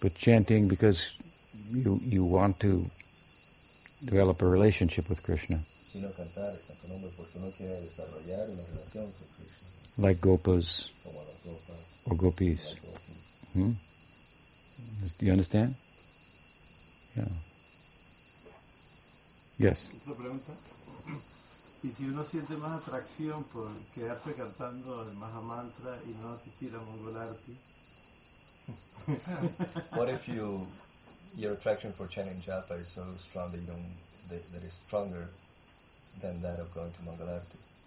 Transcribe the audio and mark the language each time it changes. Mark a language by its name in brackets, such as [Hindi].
[English] But chanting because you want to develop a relationship with Krishna. [Spanish] Sino cantar, tanto nombre, porque uno quiere desarrollar una relación con Krishna. [English] Like gopas. [Spanish] Como las gopas. [English] Or gopis. Do you understand? Yeah. Yes. [Spanish] Otra pregunta. ¿Y si uno siente más atracción por quedarse cantando el Maha Mantra y no asistir a Mangalarti? [English] What if your attraction for chanting japa is so strong that is stronger than that of going to Mangalarti?